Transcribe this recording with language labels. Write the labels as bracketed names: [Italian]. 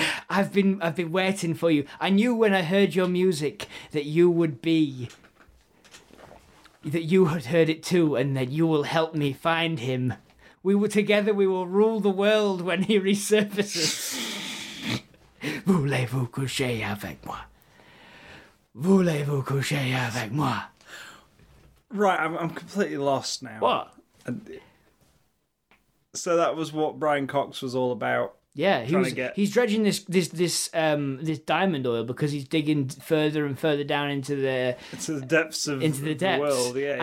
[English] I've been waiting for you. I knew when I heard your music that you would be, that you had heard it too, and that you will help me find him. We were together, we will rule the world when he resurfaces. [French] Voulez-vous coucher avec moi? Voulez-vous coucher avec moi? [English] Right, I'm completely lost now. What? And so that was what Brian Cox was all about. Yeah, he's dredging this diamond oil because he's digging further and further down into the depths of the world. Yeah,